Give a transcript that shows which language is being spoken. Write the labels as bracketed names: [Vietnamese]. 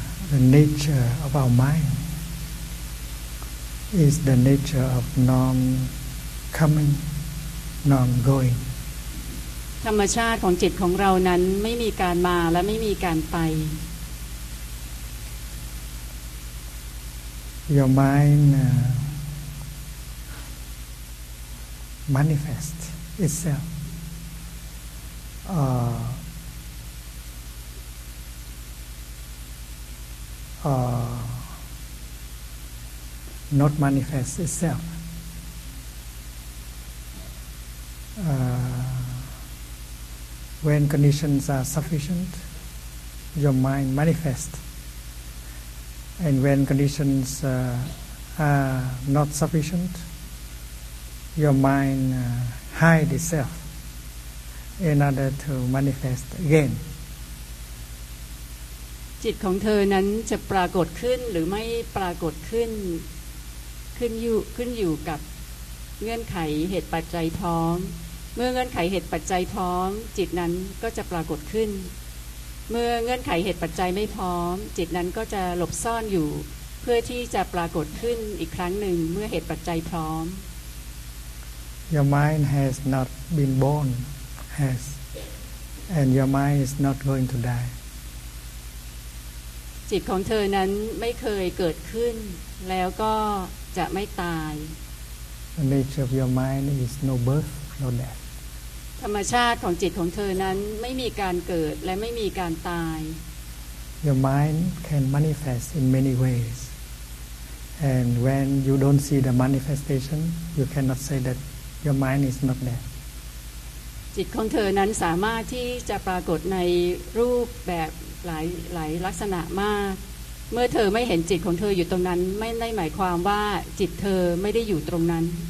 [English] The nature of our mind is the nature of non-coming, non-going. [Thai] ธรรมชาติของจิตของเรานั้นไม่มีการมาและไม่มีการไป [English] Your mind manifests itself. Not manifest itself. When conditions are sufficient, your mind manifests. And when conditions not sufficient. Your mind hide itself in order to manifest again. [Thai] จิตของเธอนั้นจะปรากฏขึ้นหรือไม่ปรากฏขึ้นขึ้นอยู่กับเงื่อนไขเหตุปัจจัยพร้อมเมื่อเงื่อนไขเหตุปัจจัยพร้อมจิตนั้นก็จะปรากฏขึ้นเมื่อเงื่อนไขเหตุปัจจัยไม่พร้อมจิตนั้นก็จะหลบซ่อนอยู่เพื่อที่จะปรากฏขึ้นอีกครั้งหนึ่งเมื่อเหตุปัจจัยพร้อม [English] Your mind has not been born has and your mind is not going to die [Thai] จิตของเธอนั้นไม่เคยเกิดขึ้นแล้วก็จะไม่ตาย [English] The nature of your mind is no birth no death [Thai] ธรรมชาติของจิตของเธอนั้นไม่มีการเกิดและไม่มีการตาย [English] Your mind can manifest in many ways and when you don't see the manifestation you cannot say that your mind is not there [Thai] จิตของเธอนั้นสามารถที่จะปรากฏในรูปแบบหลายลักษณะมากเมื่อเธอไม่เห็นจิตของเธออยู่ตรงนั้นไม่ได้หมายความว่าจิตเธอไม่ได้อยู่ตรงนั้น